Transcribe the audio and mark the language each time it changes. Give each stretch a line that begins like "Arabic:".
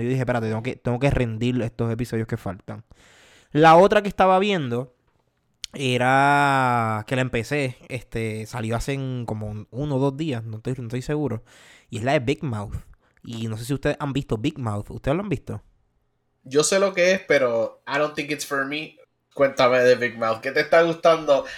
Spanish: Yo dije, espérate, tengo que rendir estos episodios que faltan. La otra que estaba viendo era que la empecé, salió hace como 1 o 2 días, no estoy seguro, y es la de Big Mouth. Y no sé si ustedes han visto Big Mouth. ¿Ustedes lo han visto? Yo sé lo que es, pero
English: I don't think it's for me.
Spanish: Cuéntame de Big Mouth, ¿qué te está gustando?